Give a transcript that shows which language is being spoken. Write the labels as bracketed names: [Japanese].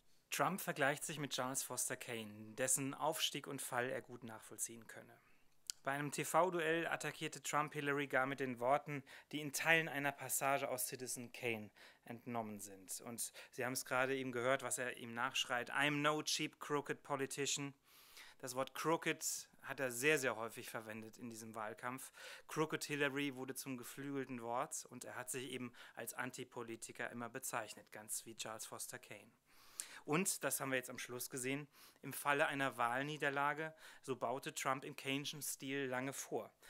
[German] Trump vergleicht sich mit Charles Foster Kane, dessen Aufstieg und Fall er gut nachvollziehen könne. Bei einem TV-Duell attackierte Trump Hillary gar mit den Worten, die in Teilen einer Passage aus Citizen Kane entnommen sind. Und Sie haben es gerade eben gehört, was er ihm nachschreit. [English] I'm no cheap crooked politician. [German] Das Wort crooked hat er sehr, sehr häufig verwendet in diesem Wahlkampf. Crooked Hillary wurde zum geflügelten Wort und er hat sich eben als Antipolitiker immer bezeichnet, ganz wie Charles Foster Kane. Und, das haben wir jetzt am Schluss gesehen, im Falle einer Wahlniederlage, so baute Trump im Keynesian Stil lange vor.